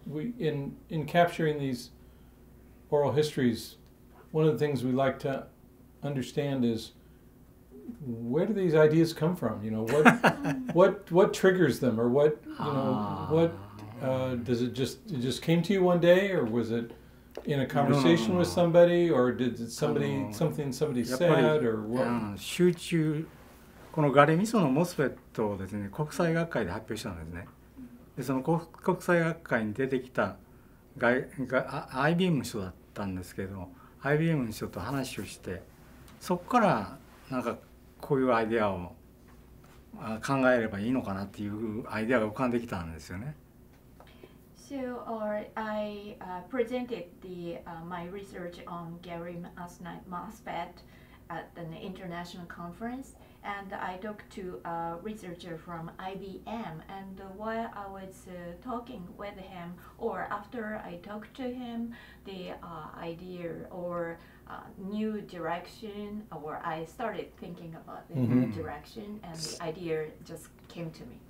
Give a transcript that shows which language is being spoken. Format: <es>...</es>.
<en>We in capturing these oral histories, one of the things we like to understand is, where do these ideas come from? You know, what what triggers them, or what, you know, what does it just came to you one day, or was it in a conversation with somebody, or did somebody something somebody said, or what?</en> <ja>集中 このガレミソのモスフェットをですね、国際学会で発表したんですね。でその 国際学会に出てきた IBM の人だったんですけど、 IBM の人と話をして、そこからなんかこういうアイデアを考えればいいのかなっていうアイデアが浮かんできたんですよね。</ja> <en>So I presented my research on gallium arsenide MOSFET at an international conference, and I talked to a researcher from IBM, and while I was talking with him, or after I talked to him, the idea or new direction, or I started thinking about the new direction, and the idea just came to me.</en>